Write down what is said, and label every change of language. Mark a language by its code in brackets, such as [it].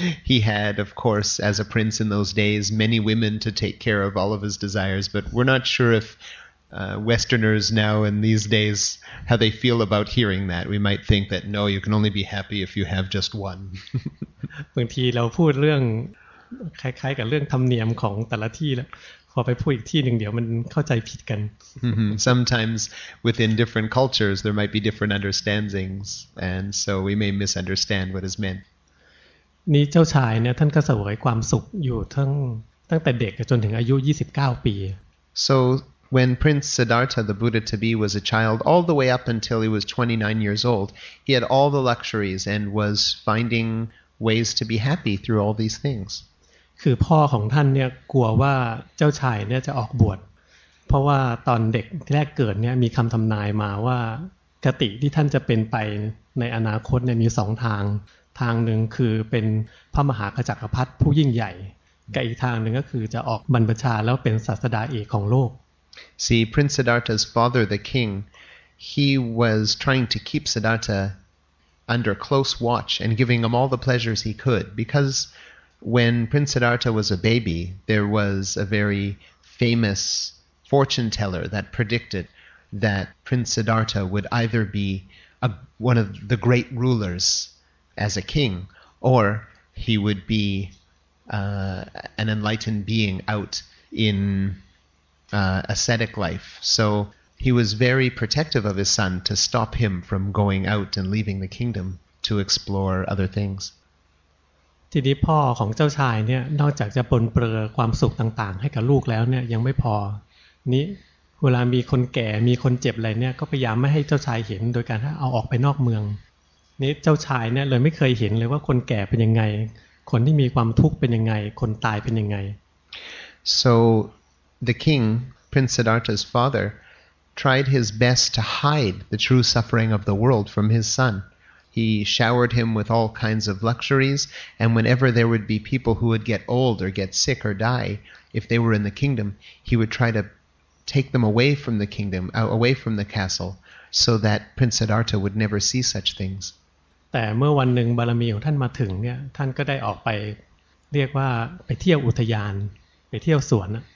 [en] He had of course as a prince in those days many women to take care of all of his desires but we're not sure ifWesterners now in these days, how they feel about hearing that. We might think that no, you can only be happy if you have just one. [th] บางทีเราพูดเรื่องคล้ายๆกับเรื่องธรรมเนียมของแต่ละที่แล้วพอไปพูดอีกที่หนึ่งเดี๋ยวมันเข้าใจผิดกัน [en] Sometimes within different cultures, there might be different understandings, and so we may misunderstand what is meant. [th] นี่เจ้าชายเนี่ยท่านก็เสวยความสุขอยู่ตั้งแต่เด็กจนถึงอายุ29ปี [en] So. When Prince Siddhartha, the Buddha to be, was a child, all the way up until he was 29 years old, he had all the luxuries and was finding ways to be happy through all these things. [th] คือพ่อของท่านเนี่ยกลัวว่าเจ้าชายเนี่ยจะออกบวชเพราะว่าตอนเด็กแรกเกิดเนี่ยมีคำทำนายมาว่าคติที่ท่านจะเป็นไปในอนาคตเนี่ยมีสองทางทางหนึ่งคือเป็นพระมหากจักรพรรดิผู้ยิ่งใหญ่กับอีกทางหนึ่งก็คือจะออกบรรพชาแล้วเป็นศาสดาเอกของโลก [en] See, Prince Siddhartha's father, the king, he was trying to keep Siddhartha under close watch and giving him all the pleasures he could. Because when Prince Siddhartha was a baby, there was a very famous fortune teller that predicted that Prince Siddhartha would either be one of the great rulers as a king, or he would be an enlightened being out in... ascetic life. So he was very protective of his son to stop him from going out and leaving the kingdom to explore other things. [th] ทีนี้พ่อของเจ้าชายเนี่ยนอกจากจะปนเปื้อความสุขต่างๆให้กับลูกแล้วเนี่ยยังไม่พอนี้เวลามีคนแก่มีคนเจ็บอะไรเนี่ยก็พยายามไม่ให้เจ้าชายเห็นโดยการเอาออกไปนอกเมืองนี้เจ้าชายเนี่ยเลยไม่เคยเห็นเลยว่าคนแก่เป็นยังไงคนที่มีความทุกข์เป็นยังไงคนตายเป็นยังไง [en] SoThe king, Prince Siddhartha's father, tried his best to hide the true suffering of the world from his son. He showered him with all kinds of luxuries, and whenever there would be people who would get old or get sick or die, if they were in the kingdom, he would try to take them away from the kingdom, away from the castle, so that Prince Siddhartha would never see such things. [th] แต่เมื่อวันหนึ่งบารมีของท่านมาถึงเนี่ยท่านก็ได้ออกไปเรียกว่าไปเที่ยวอุทยานไปเที่ยวสวน